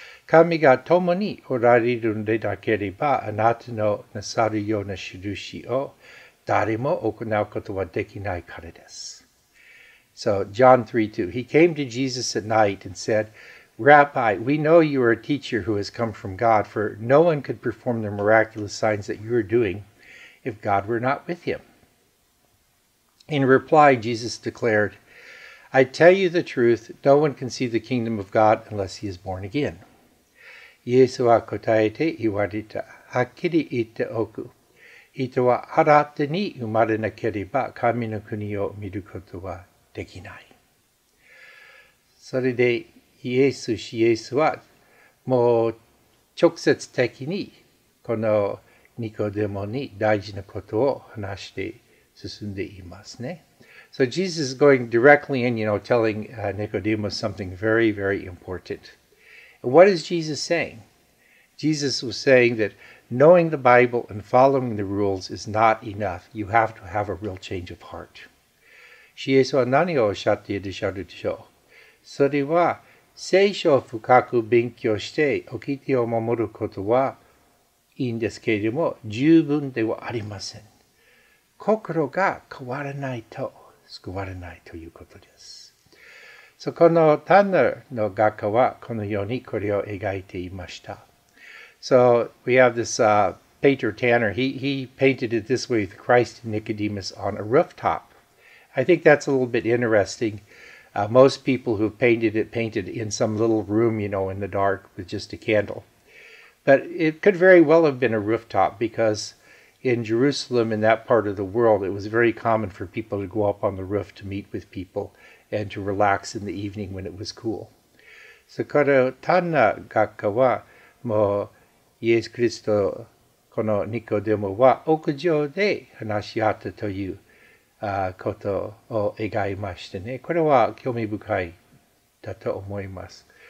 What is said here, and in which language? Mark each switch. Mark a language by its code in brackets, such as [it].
[ja] 神が共におられるのでなければ、あなたのなさるような印を誰も行うことはできないからです。 [en] So, John 3:2. He came to Jesus at night and said, Rabbi, we know you are a teacher who has come from God, for no one could perform the miraculous signs that you are doing if God were not with him. In reply, Jesus declared, I tell you the truth, no one can see the kingdom of God unless he is born again. [ja] イエスは答えて言われた。はっきり言っておく。人は新たに生まれなければ神の国を見ることはできない。それでイエスはもう直接的にこのニコデモに大事なことを話して進んでいますね。 [en] So Jesus is going directly in, you know, telling Nicodemus something very, very important. And what is Jesus saying? Jesus was saying that knowing the Bible and following the rules is not enough. You have to have a real change of heart. [ja] イエスは何をおっしゃっているでしょう。それは、聖書を深く勉強して、おきてを守ることはいいんですけれども、十分ではありません。心が変わらないと救われないということです。そこのタンナーの画家はこのようにこれを描いていました。 [en] So we have this painter Tanner. He painted it this way with Christ and Nicodemus on a rooftop. I think that's a little bit interesting. Most people who painted it painted in some little room, you know, in the dark with just a candle. But it could very well have been a rooftop becauseIn Jerusalem, in that part of the world, it was very common for people to go up on the roof to meet with people and to relax in the evening when it was cool. [ja] そこで、タンナ画家は、もう、イエス・キリスト、このニコデモは、屋上で話し合ったという、ことを描いましてね。これは興味深いだと思います。